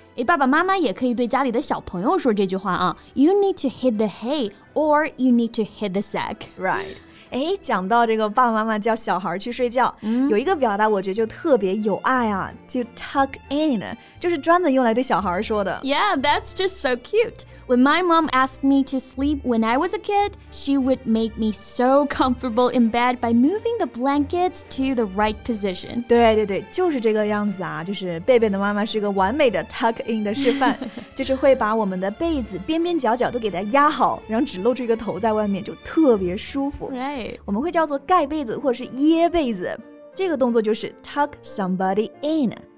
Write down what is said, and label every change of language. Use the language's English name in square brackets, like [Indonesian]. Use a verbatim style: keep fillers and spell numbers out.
[English] Right， [Chinese] 爸爸妈妈也可以对家里的小朋友说这句话啊 [English] You need to hit the hay or you need to hit the sack. Right. [Chinese] 诶，讲到这个爸爸妈妈叫小孩去睡觉、嗯、有一个表达我觉得就特别有爱啊，就 tuck in， 就是专门用来对小孩说的。 [English] Yeah, that's just so cute. When my mom asked me to sleep when I was a kid, she would make me so comfortable in bed by moving the blankets to the right position. [Chinese] 对对对，就是这个样子啊，就是贝贝的妈妈是个完美的 tuck in 的示范，就是会把我们的被子边边角角都给它压好，然后只露出一个头在外面，就特别舒服。 [English] Right. [Chinese] 我们会叫做盖被子或者是掖被子，这个动作就是 tuck somebody in。